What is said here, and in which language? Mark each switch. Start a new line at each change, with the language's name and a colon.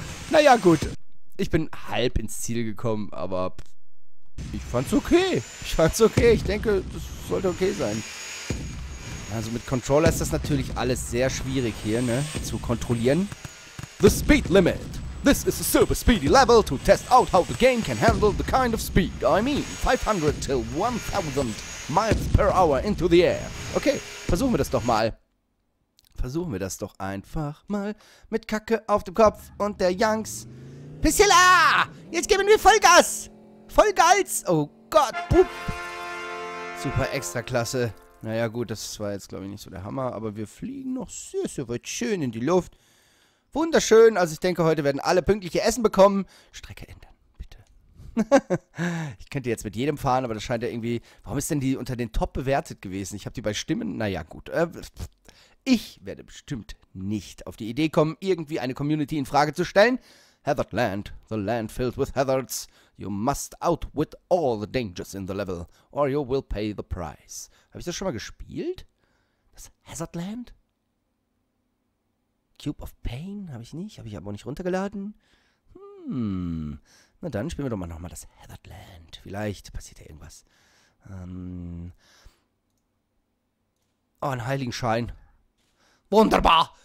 German: Naja, gut. Ich bin halb ins Ziel gekommen, aber ich fand's okay. Ich fand's okay. Ich denke, das sollte okay sein. Also mit Controller ist das natürlich alles sehr schwierig hier, ne, zu kontrollieren.
English: The speed limit. This is a super speedy level to test out how the game can handle the kind of speed. I mean 500 till 1000 miles per hour into the air.
German: Okay, versuchen wir das doch mal. Versuchen wir das doch einfach mal mit Kacke auf dem Kopf und der Yanks. Priscilla! Jetzt geben wir Vollgas! Vollgas! Oh Gott! Boop. Super extra klasse. Naja gut, das war jetzt glaube ich nicht so der Hammer, aber wir fliegen noch sehr, sehr weit schön in die Luft. Wunderschön, also ich denke, heute werden alle pünktliche Essen bekommen. Strecke ändern, bitte. Ich könnte jetzt mit jedem fahren, aber das scheint ja irgendwie... Warum ist denn die unter den Top bewertet gewesen? Ich habe die bei Stimmen... Naja, gut. Ich werde bestimmt nicht auf die Idee kommen, irgendwie eine Community in Frage zu stellen.
English: Heathered Land, the land filled with heathers. You must outwit all the dangers in the level, or you will pay the price.
German: Habe ich das schon mal gespielt? Das Heathered Land? Cube of Pain habe ich nicht, habe ich aber auch nicht runtergeladen. Na dann spielen wir doch mal nochmal das Heathered Land. Vielleicht passiert ja irgendwas. Oh, ein Heiligenschein. Wunderbar!